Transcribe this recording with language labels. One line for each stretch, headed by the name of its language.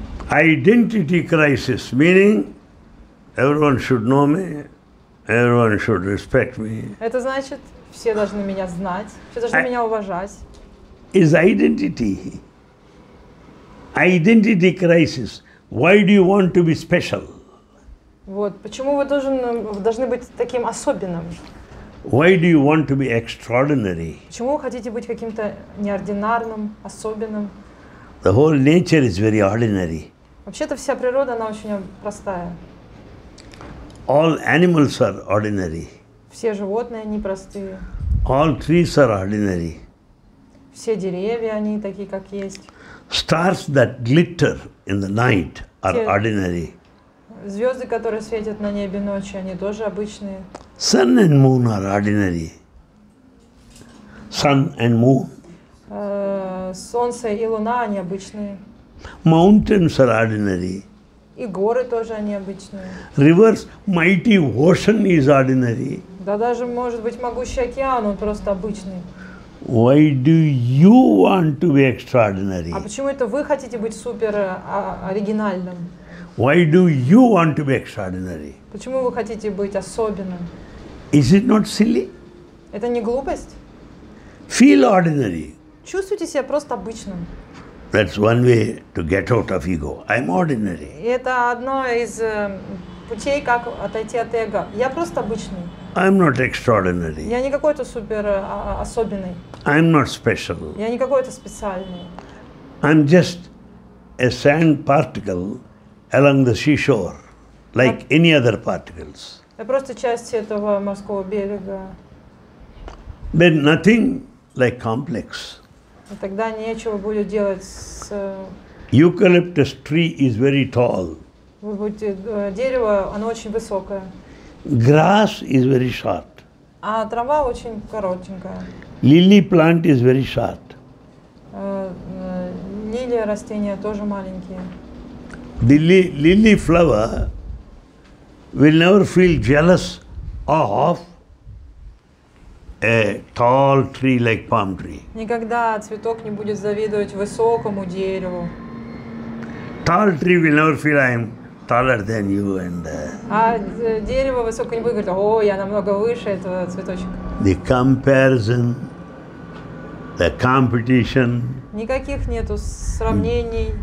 English: Identity crisis, meaning everyone should know me, everyone should respect me.
Russian: Это значит, все должны меня знать, все должны меня уважать.
English: Is identity. Identity crisis. Why do you want to be special?
Russian: Вот, почему вы должны быть таким особенным?
English: Why do you want to be extraordinary?
Russian: Почему вы хотите быть каким-то неординарным, особенным?
English: The whole nature is very ordinary.
Russian: Вообще-то вся природа, она очень простая.
English: All animals are ordinary.
Russian: Все животные, они простые.
English: All trees are ordinary.
Russian: Все деревья, они такие, как есть.
English: Stars that glitter in the night are ordinary.
Russian: Звезды, которые светят на небе ночью, они тоже обычные.
English: Sun and moon are ordinary. Sun and moon.
Russian: Солнце и луна, они обычные.
English: Mountains are ordinary.
Russian: И горы тоже, они обычные.
English: Rivers, mighty ocean is ordinary.
Russian: Да даже, может быть, могучий океан, он просто обычный.
English: Why do you want to be extraordinary?
Russian: А почему это вы хотите быть супер оригинальным?
English: Why do you want to be extraordinary?
Russian: Почему вы хотите быть особенным?
English: Is it not silly?
Russian: Это не глупость?
English: Feel ordinary.
Russian: Чувствуйте себя просто обычным.
English: That's one way to get out of ego. I'm ordinary.
Russian: И это одно из путей, как отойти от эго. Я просто обычный.
English: I'm not extraordinary.
Russian: Я не какой-то супер особенный.
English: I'm not special.
Russian: Я не какой-то специальный.
English: I'm just a sand particle along the seashore, like any other particles.
Russian: Я просто часть этого морского берега.
English: Then nothing like complex.
Russian: И тогда нечего будет делать с.
English: Eucalyptus tree is very tall.
Russian: Вы будете дерево, оно очень высокое.
English: Grass is very short.
Russian: А трава очень коротенькая.
English: Lily plant is very short.
Russian: Лилия растения тоже маленькие.
English: The lily flower will never feel jealous of a tall tree like palm tree.
Russian: Никогда цветок не будет завидовать высокому дереву.
English: Tall tree will never feel I'm taller than you and.
Russian: А дерево высокое не будет говорить: о, я намного выше этого цветочка.
English: The comparison, the competition.
Russian: Никаких нету сравнений.